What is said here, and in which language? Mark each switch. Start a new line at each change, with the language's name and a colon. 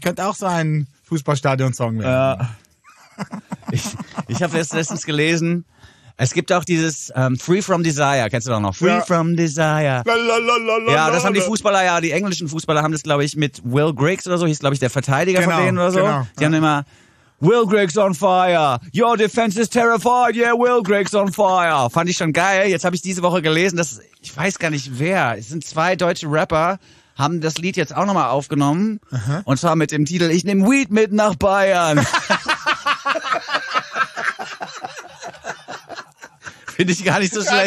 German: Könnte auch so ein Fußballstadion-Song werden. Ja. Ich habe erst letztens gelesen, es gibt auch dieses Free From Desire, kennst du doch noch? Free ja. From Desire. La, la, la, la, la, ja, das haben die Fußballer, ja, die englischen Fußballer haben das, glaube ich, mit Will Griggs oder so, hieß, glaube ich, der Verteidiger genau, von denen oder so. Genau, die ja. haben immer,
English: Will Griggs on fire, your defense is terrified, yeah, Will Griggs on fire.
German: Fand ich schon geil, jetzt habe ich diese Woche gelesen, dass ich weiß gar nicht wer, es sind zwei deutsche Rapper, haben das Lied jetzt auch nochmal aufgenommen. Aha. Und zwar mit dem Titel, ich nehme Weed mit nach Bayern. Finde ich gar nicht so schlecht.